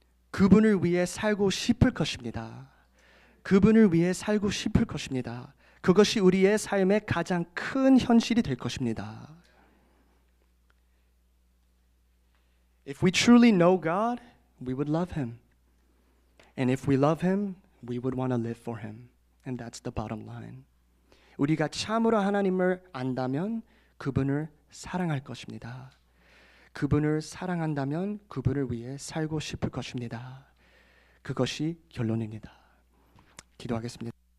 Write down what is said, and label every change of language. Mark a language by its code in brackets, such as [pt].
[ko] 그분을 위해 살고 싶을 것입니다. 그분을 위해 살고 싶을 것입니다. 그것이 우리의 삶의 가장 큰 현실이 될 것입니다. [en] If we truly know God, we would love Him. And if we love Him, we would want to live for Him. And that's the bottom line. [ko] 우리가 참으로 하나님을 안다면 그분을 사랑할 것입니다. 그분을 사랑한다면 그분을 위해 살고 싶을 것입니다. 그것이 결론입니다. 기도하겠습니다.